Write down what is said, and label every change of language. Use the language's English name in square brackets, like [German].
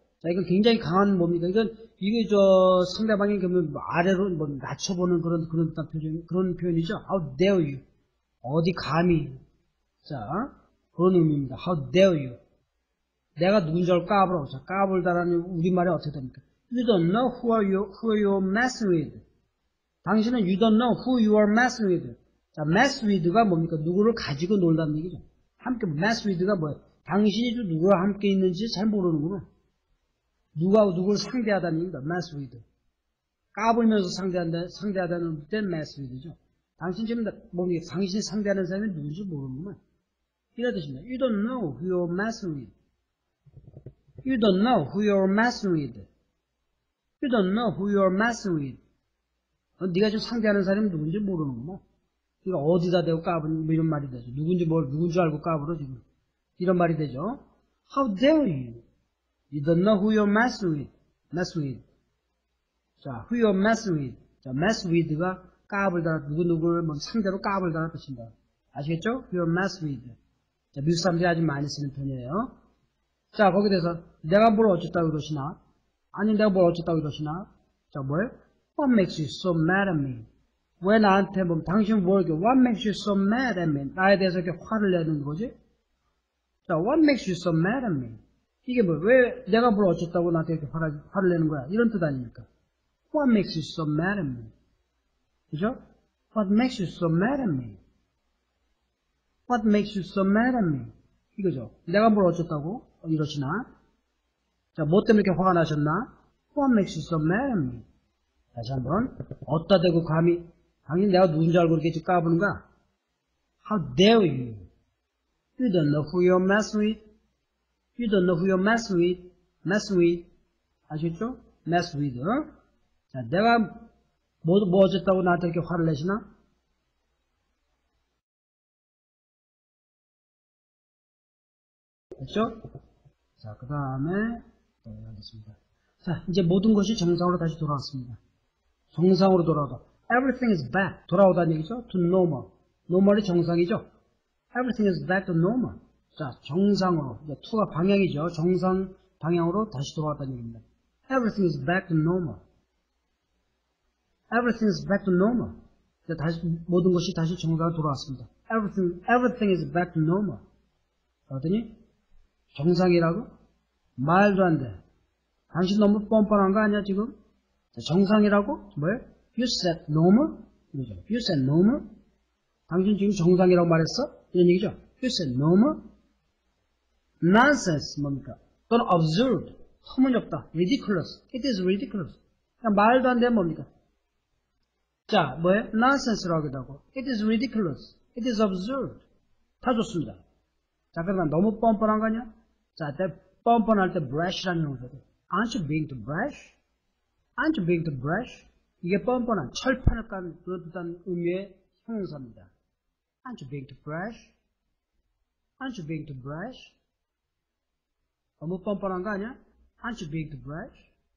[Korean] 자, 이건 굉장히 강한 뭡니까? 이게 상대방이 그러면 아래로 뭐 낮춰보는 그런 표현이죠? [English] How dare you? [Korean] 어디 감히? 자, 그런 의미입니다. [English] How dare you? [Korean] 내가 누군지 까불어. 자, 까불다라는 우리말이 어떻게 됩니까? [English] You don't know who you're messing with. [Korean] 당신은 [English] you don't know who you are messing with. [Korean] 자, mess with가 뭡니까? 누구를 가지고 놀다는 얘기죠. 함께 mess with가 뭐예요? 당신이 누구와 함께 있는지 잘 모르는구나. 누구를 상대하다는 얘기입니다. mess with. 까불면서 상대하다는 때 mess with죠. 당신 지금 뭐니 당신 상대하는 사람이 누군지 모르는구만. 이러듯이입니다. [English] You don't know who you're messing with. You don't know who you're messing with. You don't know who you're messing with. [Korean] 네가 지금 상대하는 사람이 누군지 모르는구만. 이거 어디다 대고 까불 뭐 이런 말이 되죠. 누군지 뭘 누군지 알고 까불어 지금 이런 말이 되죠. [English] How dare you? You don't know who you're messing with. Messing with. 자, who you're messing with. [Korean] 자, mess with가 까불다 누구 누구를 뭐 상대로 까불다 뜻입니다. 아시겠죠? [English] Who you're messing with. [Korean] 자, 미국 사람들이 아주 많이 쓰는 편이에요. 자, 거기 대해서 내가 뭘 어쨌다고 그러시나? 아니 내가 뭘 어쨌다고 그러시나? 자, 뭐예요? [English] What makes you so mad at me? [Korean] 왜 나한테 뭐 당신 뭘 이렇게 [English] What makes you so mad at me? [Korean] 나에 대해서 이렇게 화를 내는 거지? [English] 자, What makes you so mad at me? [Korean] 이게 뭐 왜 내가 뭘 어쨌다고 나한테 이렇게 화를 내는 거야? 이런 뜻 아닙니까? [English] What makes you so mad at me? [Korean] 그죠? [English] What makes you so mad at me? What makes you so mad at me? [Korean] 이거죠. 내가 뭘 어쨌다고 이러시나? 자, 뭐 때문에 이렇게 화가 나셨나? [English] What makes you so mad at me? [Korean] 다시 한번 어따 대고 감히 당연히 내가 누군지 알고 이렇게 지금 까부는 거야? [English] How dare you? You don't know who you're messing with? You don't know who you're messing with? Messing with? [Korean] 아시겠죠? [English] Mess with? 어? [Korean] 자, 내가 뭐 어쨌다고 나한테 이렇게 화를 내시나? 됐죠? 자, 그 다음에 알겠습니다. 자, 이제 모든 것이 정상으로 다시 돌아왔습니다. 정상으로 돌아와서 [English] Everything is back. [Korean] 돌아오다는 얘기죠. [English] To normal. [Korean] Normal이 정상이죠. [English] Everything is back to normal. [Korean] 자, 정상으로. 이제 to가 방향이죠. 정상 방향으로 다시 돌아왔다는 얘기입니다. [English] Everything is back to normal. Everything is back to normal. [Korean] 이제 다시 모든 것이 다시 정상으로 돌아왔습니다. [English] Everything is back to normal. [Korean] 그러더니 정상이라고? 말도 안 돼. 당신 너무 뻔뻔한 거 아니야 지금? [English] 자, [Korean] 정상이라고? 뭐예요? [English] You said normal? [Korean] 이거죠. [English] You said normal? [Korean] 당신 지금 정상이라고 말했어? 이런 얘기죠. [English] You said normal? [Korean] Nonsense 뭡니까? 또는 [English] absurd. [Korean] 터무니없다. [English] Ridiculous. It is ridiculous. [Korean] 그냥 말도 안 돼 뭡니까? 자, 뭐예요? Nonsense라고 하기도 하고. [English] It is ridiculous. It is absurd. [Korean] 다 좋습니다. 자, 그러면 너무 뻔뻔한 거 아니야? 자, 때 뻔뻔할 때 brash라는 용어죠. [English] Aren't you being too brash? Aren't you being too brash? [Korean] 이게 뻔뻔한, 철판을 깐 그런 의미의 형용사입니다. [English] Aren't you being too brash? Aren't you being too brash? [Korean] 너무 뻔뻔한 거 아니야? [English] Aren't you being too brash?